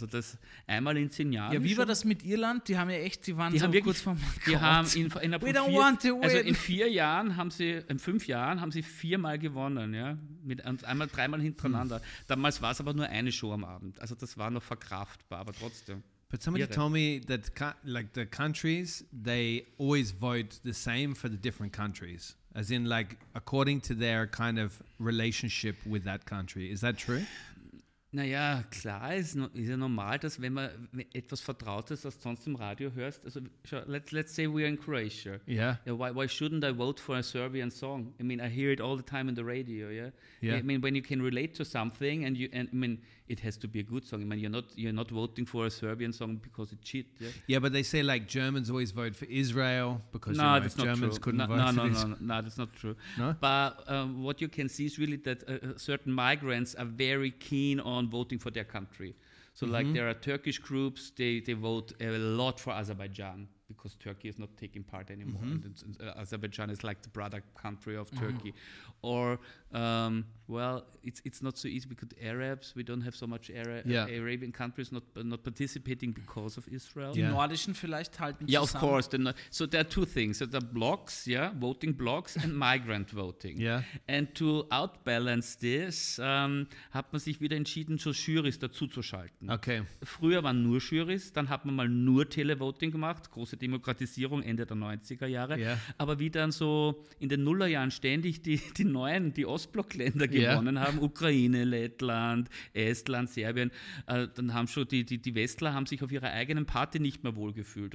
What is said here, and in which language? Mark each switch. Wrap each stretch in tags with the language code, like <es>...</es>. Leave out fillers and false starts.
<de>Also das einmal in 10 Jahren. Ja, wie war das mit Irland? Die haben ja echt, die waren die so haben wirklich, kurz vor dem Bankrott. Die haben in 5 Jahren haben sie 4-mal gewonnen, ja, und einmal 3-mal hintereinander. Damals war es aber nur eine Show am Abend. Also das war noch verkraftbar, aber trotzdem.</de> <en>But somebody told me that like the countries, they always vote the same for the different countries. As in, like, according to their kind of relationship with that country. Is that true?</en> <de>Naja, klar, ist ja normal, dass wenn man etwas Vertrautes, was sonst im Radio hörst, also</de> <en>let's say we're in Croatia. Yeah. Yeah, why shouldn't I vote for a Serbian song? I mean, I hear it all the time in the radio, yeah? Yeah. I mean, when you can relate to something and it has to be a good song. I mean, you're not voting for a Serbian song because it's shit, yeah? Yeah, but they say, like, Germans always vote for Israel because, you know, if Germans couldn't vote for Israel. No, that's not true. No? But what you can see is really that certain migrants are very keen on voting for their country. So, like, there are Turkish groups, they vote a lot for Azerbaijan because Turkey is not taking part anymore. Mm-hmm. And Azerbaijan is, like, the brother country of Turkey. Mm-hmm. Or, it's not so easy because Arabs, we don't have so much Arabian countries not participating because of Israel.</en> <de>Die Nordischen vielleicht halten zusammen.</de> <en>Yeah, of course. So there are two things. So the blocks, voting blocks and migrant voting. Yeah. And to outbalance this,</en> <de>hat man sich wieder entschieden, so Jurys dazuzuschalten.</de> <en>Okay.</en> <de>Früher waren nur Jurys, dann hat man mal nur Televoting gemacht, große Demokratisierung Ende der 90er Jahre.</de> <en>Yeah.</en> <de>Aber wie dann so in den Nullerjahren ständig die Neuen, die Ostblockländer gewonnen haben, Ukraine, Lettland, Estland, Serbien, dann haben schon die Westler haben sich auf ihrer eigenen Party nicht mehr wohlgefühlt.</de>